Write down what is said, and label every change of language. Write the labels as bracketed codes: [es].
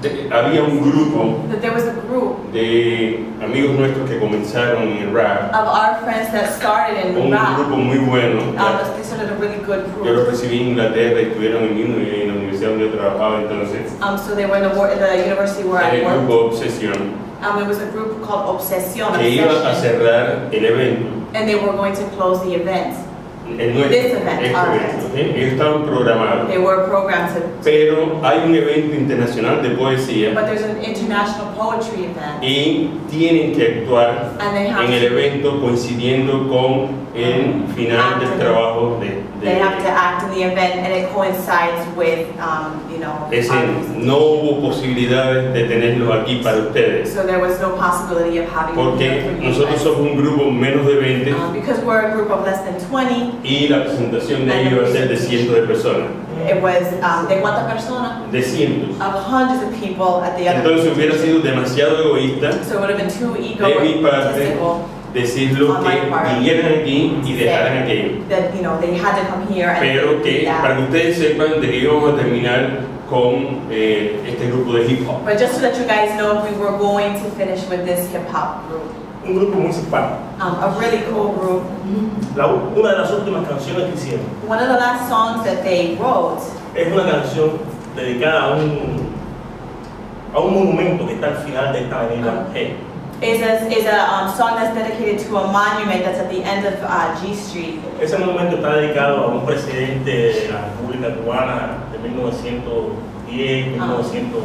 [es] Había un grupo de amigos nuestros que comenzaron en rap. [en] Of our friends that started in un rap. [es] Un grupo muy bueno. [en] They started a really good group. [es] Yo los recibí en Inglaterra y estuvieron en la universidad donde yo trabajaba entonces. [en] So they went to the university where I worked. [es] El grupo Obsesión. [en] It was a group called Obsesión. [es] Que iba a cerrar el evento. [en] And they were going to close the event. [es] Ellos estaban programados. [en] They were programmed. [es] Pero hay un evento internacional de poesía. [en] But there's an international poetry event. [es] Y tienen que actuar en el evento coincidiendo con el final del trabajo de. [en] They have to act in the event, and it coincides with, you know. [es] Es decir, no hubo posibilidades de tenerlos aquí para ustedes. [en] So there was no possibility of having. [es] Porque nosotros somos un grupo menos de 20. [en] Because we're a group of less than 20. [es] Y la presentación de ellos va a ser de cientos de personas. [en] It was [es] de cuántas personas? De cientos. [en] Of hundreds of people at the other. [es] Entonces hubiera sido demasiado egoísta. [en] So it would have been too egoistic. [es] De mi parte. Decirlo que vinieran aquí y dejaran aquello. [en] That, you know, they had to come here and [es] pero que [en] that. [es] Para que ustedes sepan de que íbamos a terminar con este grupo de hip hop. [en] But just to let you guys know, we were going to finish with this hip hop group. [es] Un grupo muy simpático. [en] A really cool group. [es] Una de las últimas canciones que hicieron. [en] One of the last songs that they wrote. [es] Es una canción dedicada a un monumento que está al final de esta avenida. [en] Is a song that's dedicated to a monument that's at the end of G Street. [es] Ese monumento está dedicado a un presidente de la República Cubana de 1910-1900.